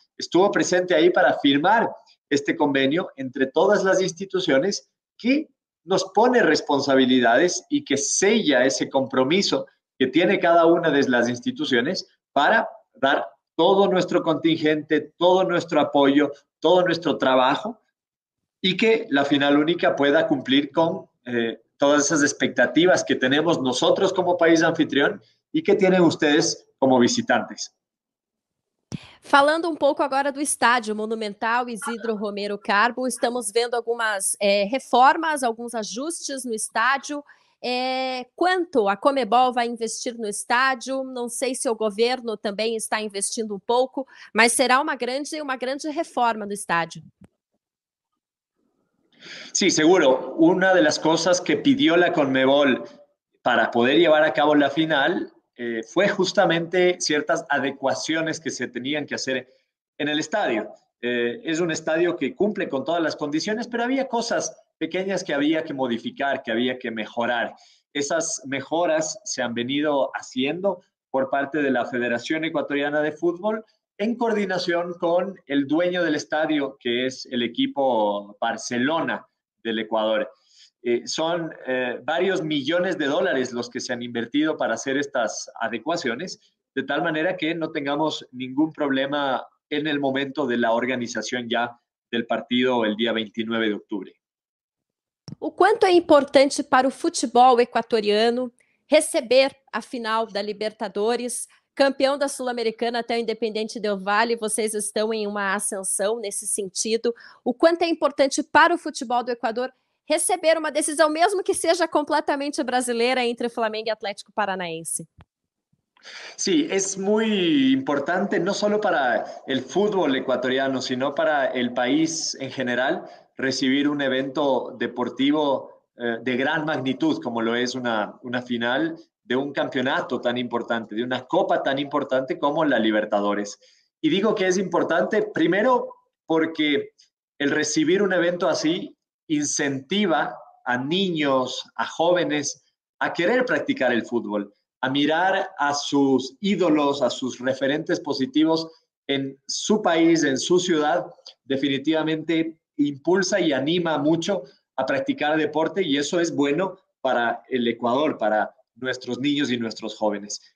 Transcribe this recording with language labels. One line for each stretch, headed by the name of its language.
Spanish: estuvo presente ahí para firmar este convenio entre todas las instituciones que nos pone responsabilidades y que sella ese compromiso que tiene cada una de las instituciones para dar todo nuestro contingente, todo nuestro apoyo, todo nuestro trabajo y que la final única pueda cumplir con todas esas expectativas que tenemos nosotros como país anfitrión y que tienen ustedes como visitantes.
Portuguese: Falando um pouco agora do estádio Monumental Isidro Romero Carbo, estamos vendo algumas reformas, alguns ajustes no estádio. Quanto a Conmebol vai investir no estádio? Não sei se o governo também está investindo um pouco, mas será uma grande reforma no estádio. Sim, seguro. Uma das coisas que pediu a Conmebol para poder levar a cabo a final
Spanish: fue justamente ciertas adecuaciones que se tenían que hacer en el estadio. Es un estadio que cumple con todas las condiciones, pero había cosas pequeñas que había que modificar, que había que mejorar. Esas mejoras se han venido haciendo por parte de la Federación Ecuatoriana de Fútbol en coordinación con el dueño del estadio, que es el equipo Barcelona del Ecuador. Son varios millones de dólares los que se han invertido para hacer estas adecuaciones, de tal manera que no tengamos ningún problema en el momento de la organización ya del partido el día 29 de octubre.
Portuguese: O quanto é importante para o futebol equatoriano receber a final da Libertadores, campeão da Sul-Americana até o Independiente del Valle, vocês estão em uma ascensão nesse sentido. O quanto é importante para o futebol do Equador receber uma decisão, mesmo que seja completamente brasileira, entre Flamengo e Atlético Paranaense? Sim, é muito importante, não só para o futebol equatoriano,
Spanish: sino
Portuguese: para o país em geral,
Spanish: recibir un evento deportivo de gran magnitud, como lo es una final de un campeonato tan importante, de una copa tan importante como la Libertadores. Y digo que es importante, primero, porque el recibir un evento así incentiva a niños, a jóvenes, a querer practicar el fútbol, a mirar a sus ídolos, a sus referentes positivos en su país, en su ciudad, definitivamente impulsa y anima mucho a practicar deporte y eso es bueno para el Ecuador, para nuestros niños y nuestros jóvenes.